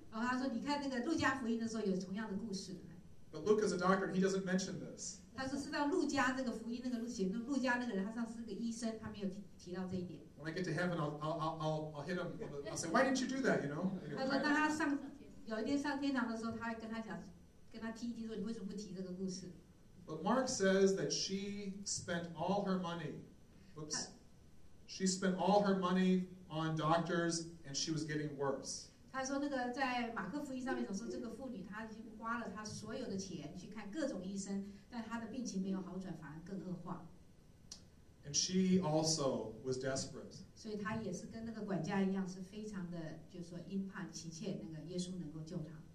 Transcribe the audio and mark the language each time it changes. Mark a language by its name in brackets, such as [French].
[Chinese] 他说，你看那个路加福音的时候有同样的故事。 [English] But Luke is a doctor, and he doesn't mention this. [Chinese] 他说，是到路加这个福音那个路写那路加那个人，他上次是个医生，他没有提到这一点。 [English] When I get to heaven, I'll hit him. I'll say, why didn't you do that? You know. [Chinese] 他说，当他上。有一天上天堂的时候，他会跟他讲，跟他提一提说，你为什么不提这个故事 [English] ？But Mark says that she spent all her money. She spent all her money on doctors, and she was getting worse. [Chinese] 他说那个在马克福音上面总是这个妇女，她已经花了她所有的钱去看各种医生，但她的病情没有好转，反而更恶化。 [English] And she also was desperate. [Chinese] 所以她也是跟那个管家一样，是非常的，就是说殷盼、急切，那个耶稣能够救她。